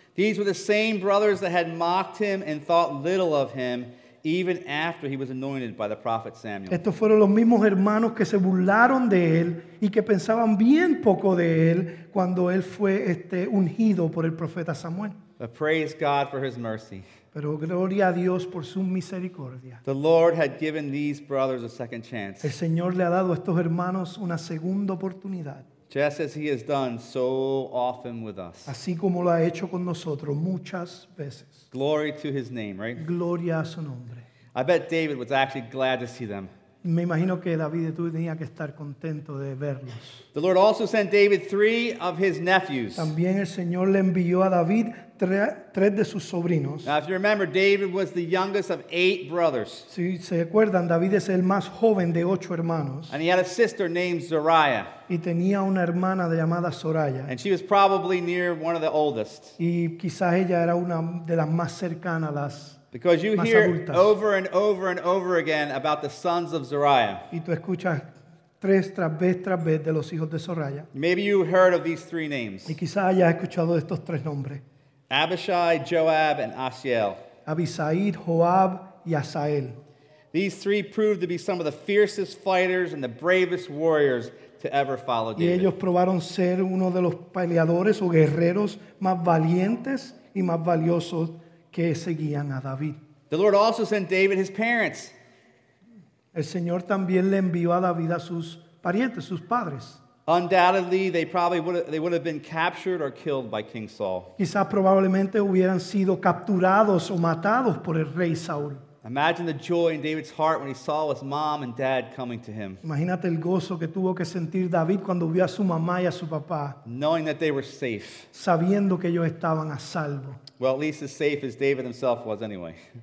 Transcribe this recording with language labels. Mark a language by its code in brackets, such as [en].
[en] These were the same brothers that had mocked him and thought little of him even after he was anointed by the prophet Samuel. [es] Estos fueron los mismos hermanos que se burlaron de él y que pensaban bien poco de él cuando él fue ungido por el profeta Samuel. [en] But praise God for his mercy. [es] Pero gloria a Dios por su misericordia. [en] The Lord had given these brothers a second chance. [es] El Señor le ha dado a estos hermanos una segunda oportunidad. [en] Just as he has done so often with us. [es] Así como lo ha hecho con nosotros muchas veces. [en] Glory to his name, right? [es] Gloria a su nombre. [en] I bet David was actually glad to see them. [es] Me imagino que David tenía que estar contento de verlos. [en] The Lord also sent David three of his nephews. [es] También el Señor le envió a David tres de sus sobrinos. [en] Now, if you remember, David was the youngest of eight brothers. [es] Si se acuerdan, David es el más joven de ocho hermanos. [en] And he had a sister named Zariah. [es] Y tenía una hermana llamada Soraya. [en] And she was probably near one of the oldest. [es] Y quizás ella era una de las más cercanas a las. [en] Because you hear over and over and over again about the sons of Zariah. [es] Y tú escuchas tras vez de los hijos de Soraya. [en] Maybe you heard of these three names. [es] Y quizás hayas escuchado estos tres nombres. [en] Abishai, Joab, and Asael. [es] Abisai, Joab, y Asael. [en] These three proved to be some of the fiercest fighters and the bravest warriors to ever follow David. [es] Y ellos probaron ser uno de los peleadores o guerreros más valientes y más valiosos que seguían a David. [en] The Lord also sent David his parents. [es] El Señor también le envió a David a sus parientes, sus padres. [en] Undoubtedly, they would have been captured or killed by King Saul. [es] Quizás probablemente hubieran sido capturados o matados por el rey Saúl. [en] Imagine the joy in David's heart when he saw his mom and dad coming to him. [es] Imagínate el gozo que tuvo que sentir David cuando vio a su mamá y a su papá. [en] Knowing that they were safe. [es] Sabiendo que ellos estaban a salvo. [en] Well, at least as safe as David himself was anyway.